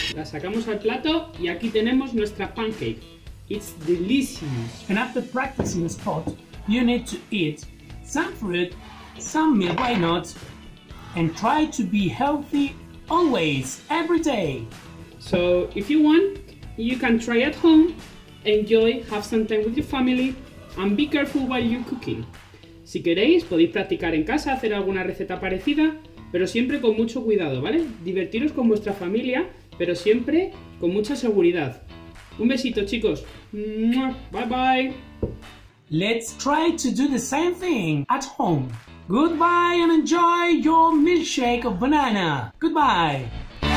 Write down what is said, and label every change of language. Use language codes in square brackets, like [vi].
[es] La sacamos al plato y aquí tenemos nuestra pancake. [en] It's delicious. And after practicing the spot, you need to eat some fruit, some milk, why not? And try to be healthy always, every day. So if you want, you can try at home, enjoy, have some time with your family, and be careful while you're cooking. [es] Si queréis, podéis practicar en casa, hacer alguna receta parecida, pero siempre con mucho cuidado, ¿vale? Divertiros con vuestra familia, pero siempre con mucha seguridad. Un besito, chicos. Bye bye. [en] Let's try to do the same thing at home. Goodbye and enjoy your milkshake of banana. Goodbye.